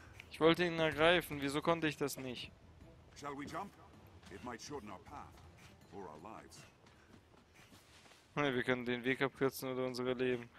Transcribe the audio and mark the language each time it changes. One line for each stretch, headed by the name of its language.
German: Ich wollte ihn ergreifen, wieso konnte ich das nicht?
English: Shall we jump? It might shorten our path or our lives.
German: Hey, wir können den Weg abkürzen oder unsere Leben.